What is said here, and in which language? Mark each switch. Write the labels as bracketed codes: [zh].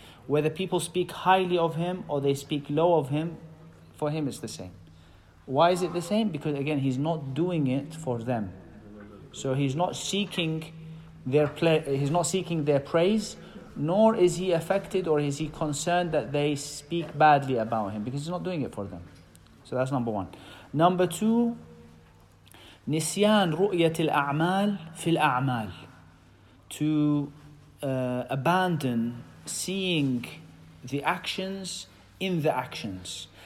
[en] Whether people speak highly of him or they speak low of him, for him it's the same. Why is it the same? Because again, he's not doing it for them. So he's not seeking their praise, nor is he affected or is he concerned that they speak badly about him, because he's not doing it for them. So that's number one. Number two, [ar] نسيان رؤية الأعمال في الأعمال. [en] To abandon seeing the actions in the actions.